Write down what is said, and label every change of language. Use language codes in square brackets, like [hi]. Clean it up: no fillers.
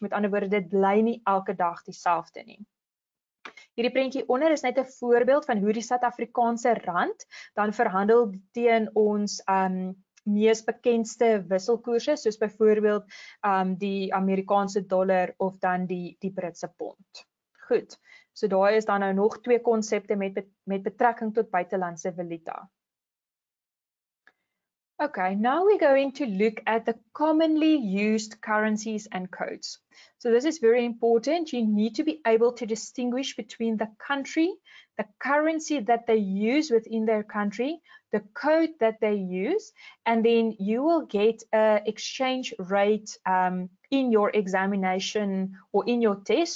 [af] Met ander woorde, dit bly nie elke dag dieselfde nie. Hierdie prentjie onder is net 'n voorbeeld van hoe die Suid-Afrikaanse rand dan verhandel teen ons mees bekendste wisselkoerse, soos byvoorbeeld die Amerikaanse dollar of dan die Britse pond. Goed, so daar is dan nou nog twee konsepte met betrekking tot buitelandse valuta. [en] Okay, now we're going to look at the commonly used currencies and codes. So this is very important. You need to be able to distinguish between the country, the currency that they use within their country, the code that they use, and then you will get an exchange rate in your examination or in your test.